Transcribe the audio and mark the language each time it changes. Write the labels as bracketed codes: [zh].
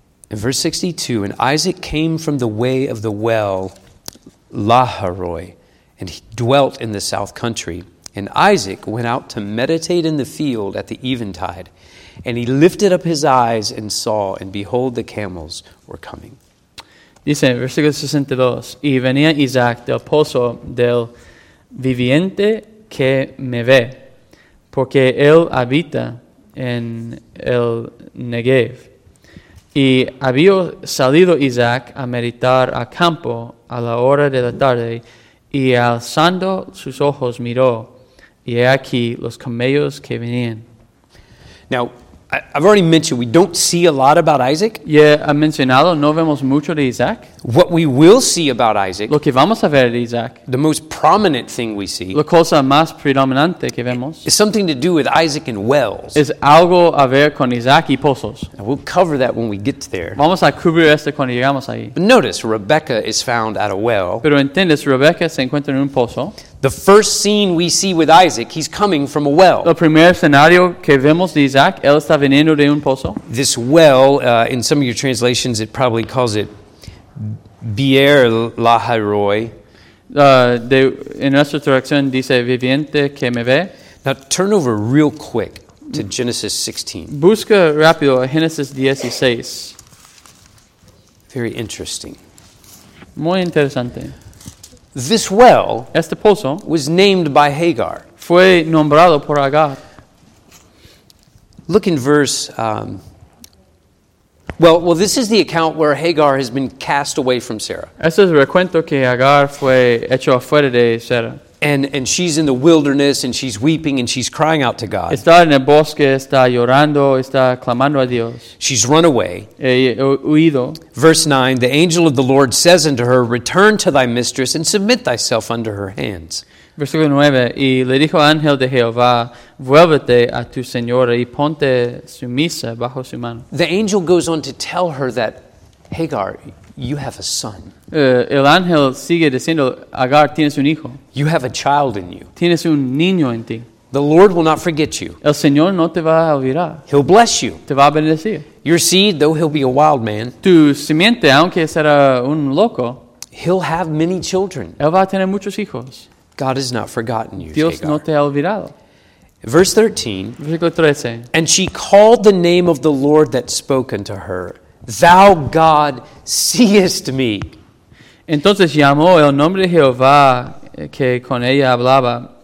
[en] In verse 62, and Isaac came from the way of the well Laharoi, and he dwelt in the south country. And Isaac went out to meditate in the field at the eventide. And he lifted up his eyes and saw, and behold, the camels were coming. [es] Dice, versículo 62, y venía Isaac del pozo del viviente que me ve, porque él habita en el Negev. Y había salido Isaac a meditar a campo a la hora de la tarde, y alzando sus ojos miró, y he aquí los camellos que venían. [en] Now, I've already mentioned we don't see a lot about Isaac. [es] Yeah, ha mencionado, no vemos mucho de Isaac. [en] What we will see about Isaac, [es] lo que vamos a ver de Isaac, [en] the most prominent thing we see, [es] la cosa más predominante que vemos, [en] is something to do with Isaac and wells. [es] Es algo a ver con Isaac y pozos. [en] And we'll cover that when we get there. [es] Vamos a cubrir esto cuando llegamos ahí. [en] But notice, Rebecca is found at a well. [es] Pero entiendes, Rebecca se encuentra en un pozo. [en] The first scene we see with Isaac, he's coming from a well. [es] El primer escenario que vemos de Isaac, él está viniendo de un pozo. [en] This well, in some of your translations, it probably calls it Beer Laharoi. [es] En nuestra traducción dice viviente que me ve. [en] Now turn over real quick to Genesis 16. [es] Busca rápido a Genesis 16. [en] Very interesting. [es] Muy interesante. [en] This well, [es] este pozo, [en] was named by Hagar. [es] Fue nombrado por Agar. [en] Look in verse. Well, this is the account where Hagar has been cast away from Sarah. [es] Este es el recuento que Agar fue hecho afuera de Sarah. [en] And she's in the wilderness and she's weeping and she's crying out to God. [es] Está en el bosque, está llorando, está clamando a Dios. [en] She's run away. [es] Huido. [en] Verse 9, the angel of the Lord says unto her, return to thy mistress and submit thyself under her hands. [es] Versículo 9, y le dijo al ángel de Jehová, vuélvete a tu señora y ponte sumisa bajo su mano. [en] The angel goes on to tell her that, Hagar, you have a son. [es] El ángel sigue diciendo, Agar, tienes un hijo. [en] You have a child in you. [es] Tienes un niño en ti. [en] The Lord will not forget you. [es] El Señor no te va a olvidar. [en] He'll bless you. [es] Te va a bendecir. [en] Your seed, though he'll be a wild man. [es] Tu simiente, aunque será un loco. [en] He'll have many children. [es] Él va a tener muchos hijos. [en] God has not forgotten you, [es] Dios [en] Hagar. [es] No te ha olvidado. [en] Verse 13. [es] Versículo 13. [en] And she called the name of the Lord that spoke unto her. Thou God seest me. [es] Entonces llamó el nombre de Jehová que con ella hablaba.